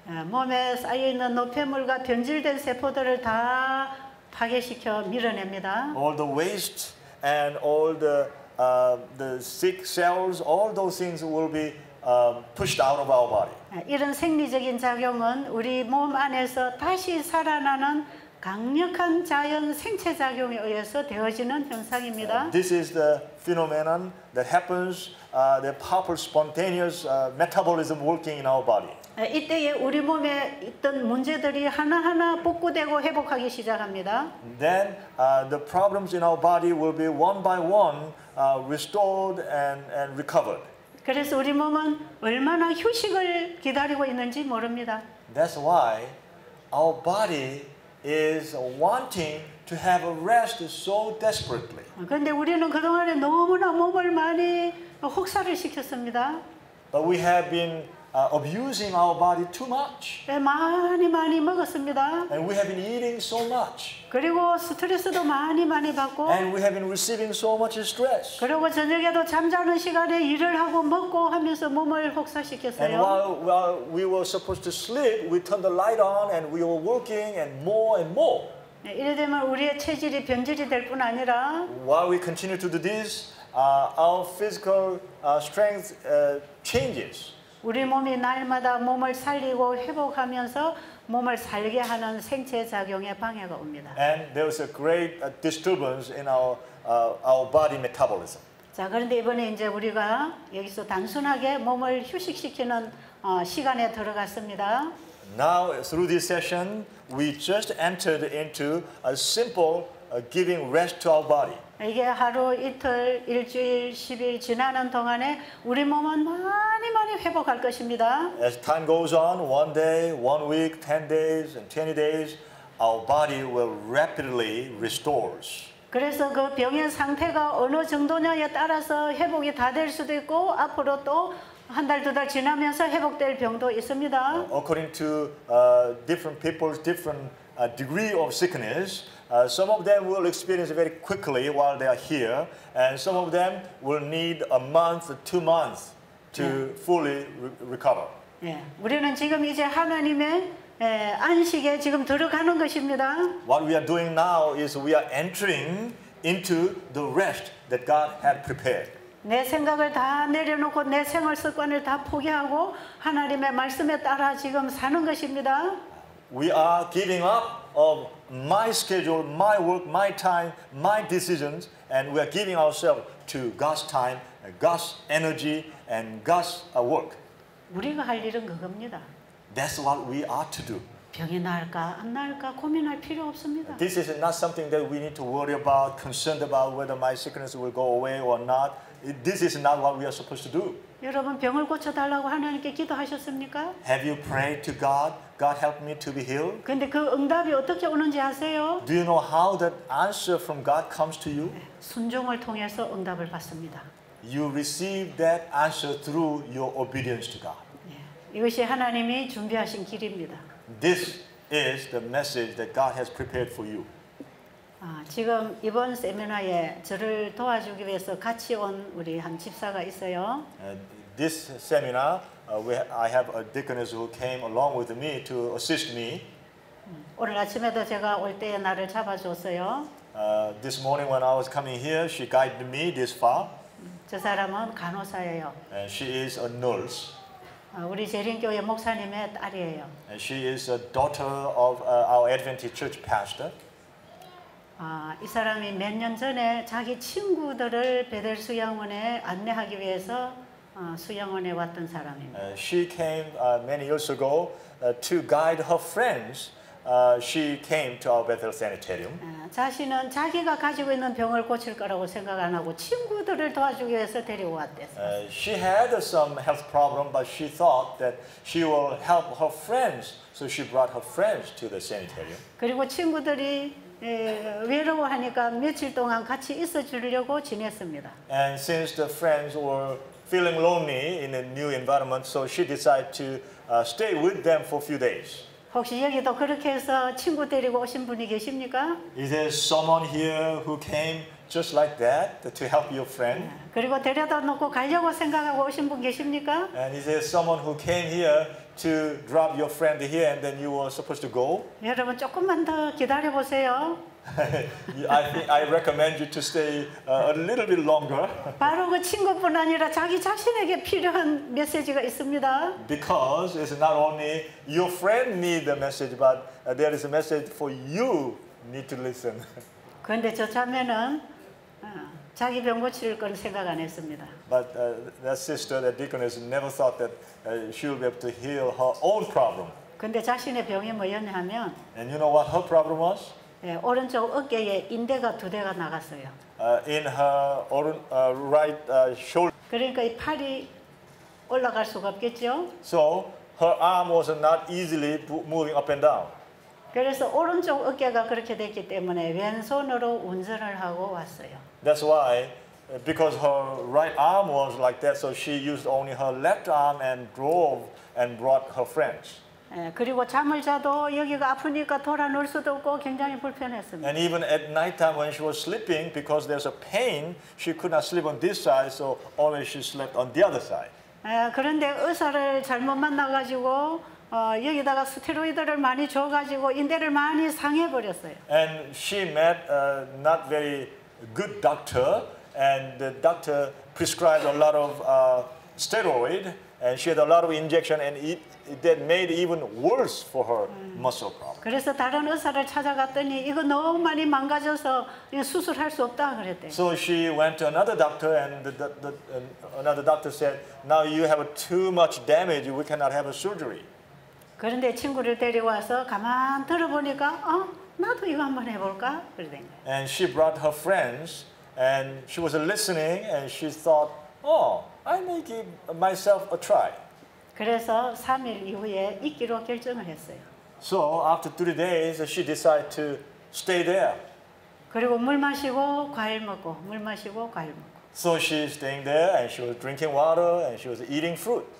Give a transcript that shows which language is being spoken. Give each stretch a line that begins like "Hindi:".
Korean: 몸에 쌓여 있는 노폐물과 변질된 세포들을 다 파괴시켜 밀어냅니다.
English: All the waste and all the sick cells, all those things will be pushed out of our body.
Korean: 이런 생리적인 작용은 우리 몸 안에서 다시 살아나는 강력한 자연 생체 작용에 의해서 되어지는 현상입니다.
English: This is the phenomenon that happens. The powerful spontaneous metabolism working in our body.
Korean: 이때에 우리 몸에 있던 문제들이 하나하나 복구되고 회복하기 시작합니다.
English: Then the problems in our body will be one by one restored and recovered.
Korean: 그래서 우리 몸은 얼마나 휴식을 기다리고 있는지 모릅니다.
English: That's why our body is wanting to have a rest so desperately.
Korean: 근데 우리는 그동안에 너무나 몸을 많이 혹사를 시켰습니다.
English: But we have been abusing our body too much.
Korean: 많이 많이 먹었습니다.
English: And we have been eating so much.
Korean: 그리고 스트레스도 많이 많이 받고.
English: And we have been receiving so much stress.
Korean: 그리고 저녁에도 잠자는 시간에 일을 하고 먹고 하면서 몸을 혹사시켰어요.
English: And while we were supposed to sleep, we turned the light on and we were working and more and more.
Korean: 이래 되면 우리의 체질이 변질이 될 뿐 아니라
English: While we continue to do this, our physical strength changes.
Korean: 우리 몸이 날마다 몸을 살리고 회복하면서 몸을 살게 하는 생체 작용에 방해가 옵니다.
English: And there was a great disturbance in our body metabolism.
Korean: 자, 그런데 이번에 이제 우리가 여기서 단순하게 몸을 휴식시키는 시간에 들어갔습니다.
English: Now through this session, we just entered into a simple giving rest to our body.
Korean: 이게 하루 이틀 일주일 10일 지나는 동안에 우리 몸은 많이 많이 회복할 것입니다.
English: As time goes on, one day, one week, 10 days, and 20 days, our body will rapidly restore.
Korean: 그래서 그 병의 상태가 어느 정도냐에 따라서 회복이 다 될 수도 있고 앞으로 또 한 달, 두 달 지나면서 회복될 병도 있습니다.
English: According to different people's different degree of sickness, some of them will experience very quickly while they are here, and some of them will need a month, two months to fully recover.
Korean: 예, 우리는 지금 이제 하나님의 안식에 지금 들어가는 것입니다.
English: What we are doing now is we are entering into the rest that God had prepared.
Korean: 내 생각을 다 내려놓고 내 생활 습관을 다 포기하고 하나님의 말씀에 따라 지금 사는 것입니다.
English: We are giving up of my schedule, my work, my time, my decisions, and we are giving ourselves to God's time, God's energy, and God's work.
Korean: 우리가 할 일은 그겁니다.
English: That's what we are to do.
Korean: 병이 나을까 안 나을까 고민할 필요 없습니다.
English: This is not something that we need to worry about, concerned about whether my sickness will go away or not. This is not what we are supposed to do.
Korean: 여러분 병을 고쳐달라고 하나님께 기도하셨습니까?
English: Have you prayed to God? God help me to be healed.
Korean: 근데 그 응답이 어떻게 오는지 아세요?
English: Do you know how that answer from God comes to you?
Korean: 순종을 통해서 응답을 받습니다.
English: You receive that answer through your obedience to God.
Korean: 이것이 하나님이 준비하신 길입니다.
English: This is the message that God has prepared for you.
Korean: 지금 이번 세미나에 저를 도와주기 위해서 같이 온 우리 한 집사가 있어요.
English: This seminar, I have a deaconess who came along with me to assist me.
Korean: 오늘 아침에도 제가 올 때에 나를 잡아줬어요.
English: This morning when I was coming here, she guided me this far.
Korean: 저 사람은 간호사예요.
English: And she is a nurse.
Korean: 우리 재림교회 목사님의 딸이에요.
English: And she is a daughter of our Adventist Church pastor.
Korean: 이 사람이 몇 년 전에 자기 친구들을 베델 수양원에 안내하기 위해서 수양원에 왔던 사람입니다.
English: She came many years ago to guide her friends. She came to our Bethel Sanitarium.
Korean: 자신은 자기가 가지고 있는 병을 고칠 거라고 생각 안 하고 친구들을 도와주기 위해서 데리고 왔대요.
English: She had some health problem, but she thought that she will help her friends, so she brought her friends to the sanitarium.
Korean: 그리고 친구들이 외로워하니까 며칠 동안 같이 있어주려고 지냈습니다.
English: And since the friends were feeling lonely in a new environment, so she decided to stay with them for a few days.
Korean: 혹시 여기도 그렇게 해서 친구 데리고 오신 분이 계십니까?
English: Is there someone here who came just like that to help your friend?
Korean: 그리고 데려다 놓고 가려고 생각하고 오신 분 계십니까?
English: And is there someone who came here to drop your friend here and then you were supposed to go?
Korean: 여러분 조금만 더 기다려 보세요.
English: I recommend you to stay a little bit longer.
Korean: 바로 그 친구뿐 아니라 자기 자신에게 필요한 메시지가 있습니다.
English: Because it's not only your friend need the message, but there is a message for you need to listen.
Korean: 그런데 저 자매는 자기 병 고칠 건 생각 안 했습니다.
English: But that sister, that deaconess, never thought that she would be able to heal her own problem.
Korean: 그런데 자신의 병이 뭐였냐면.
English: And you know what her problem was?
Korean: 네, 오른쪽 어깨에 인대가 두 대가 나갔어요.
English: In her orn, right shoulder.
Korean: 그러니까 이 팔이 올라갈 수가 없겠죠.
English: So her arm was not easily moving up and down.
Korean: 그래서 오른쪽 어깨가 그렇게 됐기 때문에 왼손으로 운전을 하고 왔어요.
English: That's why, because her right arm was like that, so she used only her left arm and drove and brought her friends.
Korean: 그리고 잠을 자도 여기가 아프니까 돌아 누울 수도 없고 굉장히 불편했습니다.
English: And even at night time when she was sleeping because there's a pain, she could not sleep on this side, so always she slept on the other side.
Korean: 그런데 의사를 잘못 만나 가지고 여기다가 스테로이드를 많이 줘 가지고 인대를 많이 상해 버렸어요.
English: And she met a not very good doctor and the doctor prescribed a lot of steroid. And she had a lot of injection, and it that made even worse for her muscle problem.
Korean: 그래서 다른 의사를 찾아갔더니 이거 너무 많이 망가져서 수술할 수 없다 그랬대.
English: So she went to another doctor, and another doctor said, "Now you have too much damage. We cannot have a surgery."
Korean: 그런데 친구를 데리고 와서 가만 들어보니까 나도 이거 한번 해볼까 그랬대.
English: And she brought her friends, and she was listening, and she thought, "Oh." I may give myself a try.
Korean: 그래서 3일 이후에 있기로 결정을 했어요.
English: So after 3 days, she decided to stay there.
Korean: 그리고 물 마시고 과일 먹고 물 마시고 과일 먹고.
English: So she's staying there, and she was drinking water, and she was eating fruit.